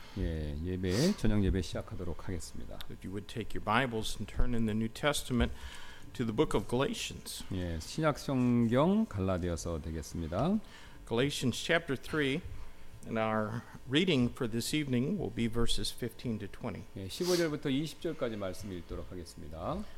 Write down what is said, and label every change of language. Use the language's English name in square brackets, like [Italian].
[Korean] 예, 예배, 저녁 예배 시작하도록 하겠습니다. [English] If you would take your Bibles and turn in the New Testament to the book of Galatians. [Korean] 예, 신약성경 갈라디아서 되겠습니다. [English] Galatians chapter 3 and our reading for this evening will be verses 15 to 20. [Korean] 예, 15절부터 20절까지 말씀 읽도록 하겠습니다.